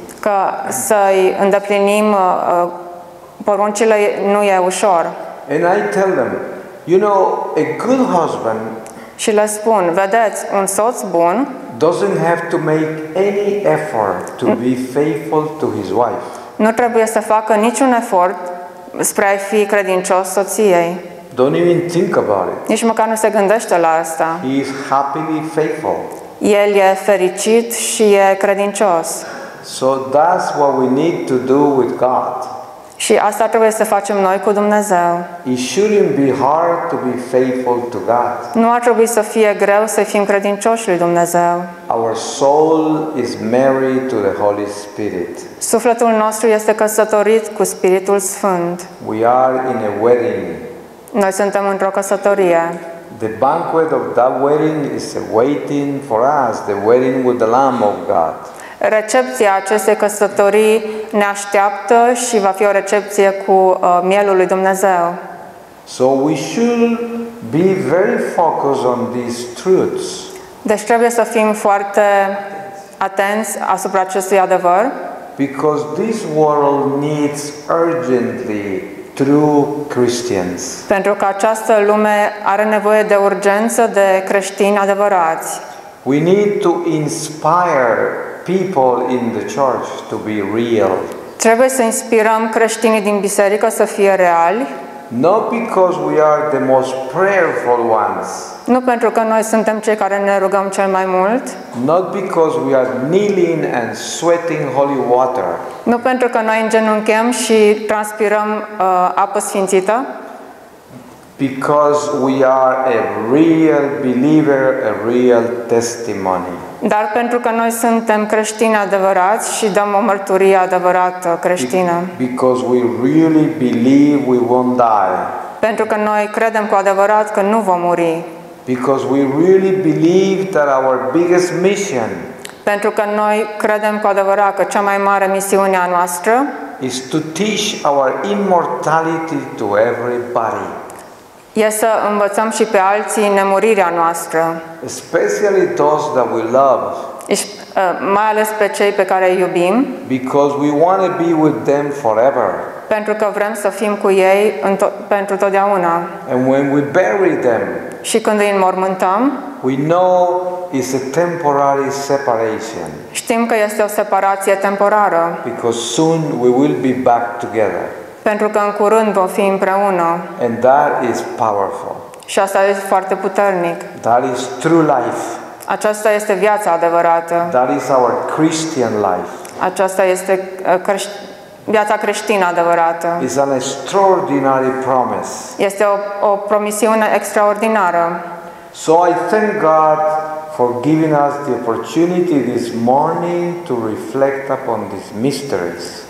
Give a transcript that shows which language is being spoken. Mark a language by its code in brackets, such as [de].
[ro] Că să-i îndeplinim poruncile nu e ușor. [en] And I tell them, you know, a good husband, [ro] și le spun, vedeți, un soț bun [en] doesn't have to make any effort to be faithful to his wife. [ro] Nu trebuie să facă niciun efort spre a fi credincios soției. [en] Don't even think about it. [ro] Nici măcar nu se gândește la asta. [en] He is happily faithful. [ro] El e fericit și e credincios. [en] So that's what we need to do with God. [ro] Și asta trebuie să facem noi cu Dumnezeu. [en] It shouldn't be hard to be faithful to God. [ro] Nu ar trebui să fie greu să fim credincioși lui Dumnezeu. [en] Our soul is married to the Holy Spirit. [ro] Sufletul nostru este căsătorit cu Spiritul Sfânt. [en] We are in a wedding. [ro] Noi suntem într-o căsătorie. [en] The banquet of that wedding is waiting for us, the wedding with the Lamb of God. [ro] Recepția acestei căsătorii ne așteaptă și va fi o recepție cu mielul lui Dumnezeu. [en] So we should be very focused on these truths. [ro] Deci trebuie să fim foarte atenți asupra acestui adevăr. [en] Because this world needs urgently true Christians. [ro] Pentru că această lume are nevoie de urgență de creștini adevărați. [en] We need to inspire people in the church to be real. [ro] Trebuie să inspirăm creștinii din biserică să fie reali. [en] Not because we are the most prayerful ones. [ro] Nu pentru că noi suntem cei care ne rugăm cel mai mult. [en] Not because we are kneeling and sweating holy water. [ro] Nu pentru că noi îngenunchem și transpirăm apă sfințită. [en] Because we are a real believer, a real testimony. [ro] Dar pentru că noi suntem creștini adevărați și dăm o mărturie adevărată creștină. [en] Because we really believe we won't die. [ro] Pentru că noi credem cu adevărat că nu vom muri. [en] Because we really believe that our biggest mission. [ro] Pentru că noi credem cu adevărat că cea mai mare misiune a noastră [en] is to teach our immortality to everybody. [ro] E să învățăm și pe alții nemurirea noastră. [en] Especially those that we love. [ro] Mai ales pe cei pe care îi iubim. [en] Because we want to be with them forever. [ro] Pentru că vrem să fim cu ei pentru totdeauna. [en] And when we bury them. [ro] Și când îi înmormântăm. [en] We know it's a temporary separation. [ro] Știm că este o separație temporară. [en] Because soon we will be back together. [ro] Pentru că în curând vom fi împreună. [en] And that is powerful. [ro] Și asta este foarte puternic. [en] That is true life. [ro] Aceasta este viața adevărată. [en] That is our Christian life. [ro] Aceasta este viața creștină adevărată. [en] It's an extraordinary promise. [ro] Este o promisiune extraordinară. [en] So I thank God for giving us the opportunity this morning to reflect upon these mysteries.